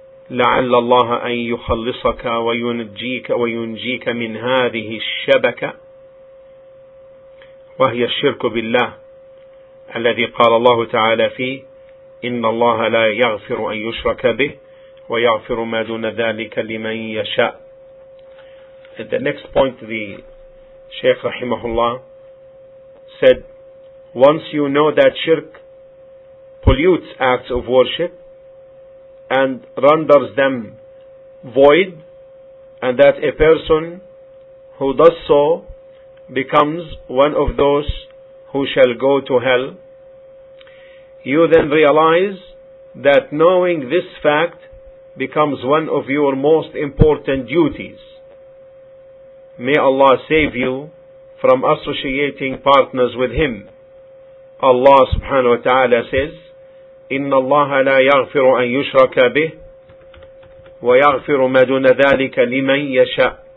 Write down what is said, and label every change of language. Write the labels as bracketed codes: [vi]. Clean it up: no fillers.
[ar] لعل الله أن يخلصك وينجيك وينجيك من هذه الشبكة وهي الشرك بالله الذي قال الله تعالى فيه إن الله لا يغفر أن يشرك به ويغفر ما دون ذلك لمن يشاء. [en] At the next point, the Shaykh rahimahullah said, once you know that shirk pollutes acts of worship and renders them void, and that a person who does so becomes one of those who shall go to hell, you then realize that knowing this fact becomes one of your most important duties. May Allah save you from associating partners with Him. Allah subhanahu wa ta'ala says, [ar] إِنَّ اللَّهَ لَا يَغْفِرُ أَن يُشْرَكَ بِهِ وَيَغْفِرُ مَا دُونَ ذَٰلِكَ لِمَن يَشَاءُ.